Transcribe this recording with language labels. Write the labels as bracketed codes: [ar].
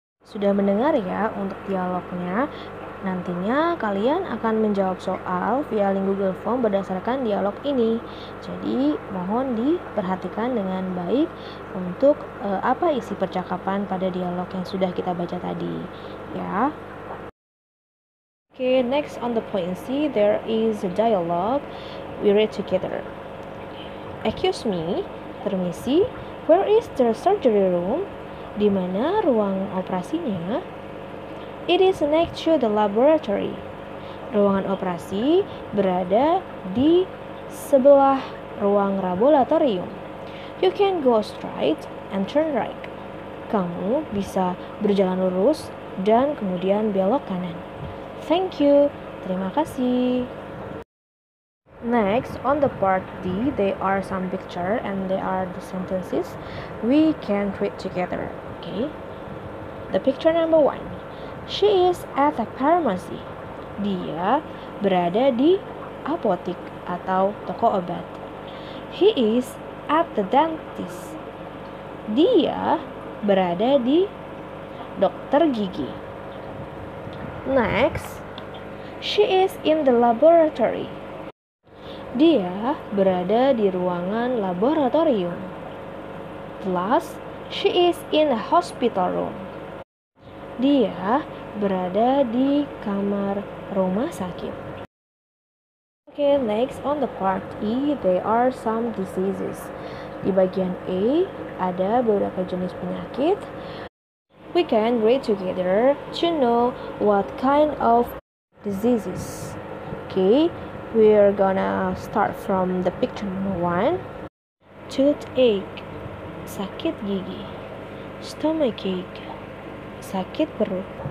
[id] Sudah mendengar ya untuk dialognya. Nantinya kalian akan menjawab soal via link Google Form berdasarkan dialog ini. Jadi mohon diperhatikan dengan baik untuk apa isi percakapan pada dialog yang sudah kita baca tadi. Ya. [en] Okay, next on the point C, there is a dialogue. We read together. Excuse me, permisi, where is the surgery room? [id] Di mana ruang operasinya? [en] It is next to the laboratory. [id] Ruangan operasi berada di sebelah ruang laboratorium. [en] You can go straight and turn right. [id] Kamu bisa berjalan lurus dan kemudian belok kanan. [en] Thank you. [id] Terima kasih. [en] Next, on the part D, there are some picture and there are the sentences we can read together. Okay. The picture number one. She is at the pharmacy. [id] Dia berada di apotek atau toko obat. [en] He is at the dentist. [id] Dia berada di dokter gigi. [en] Next, she is in the laboratory. [id] Dia berada di ruangan laboratorium. [en] Last, she is in the hospital room. [id] Dia berada di kamar rumah sakit. [en] Okay, next on the part E, there are some diseases. [id] Di bagian A, ada beberapa jenis penyakit. [en] We can read together to know what kind of diseases. Okay, we are gonna start from the picture number one. [id] Toothache, sakit gigi. Stomachache, sakit perut.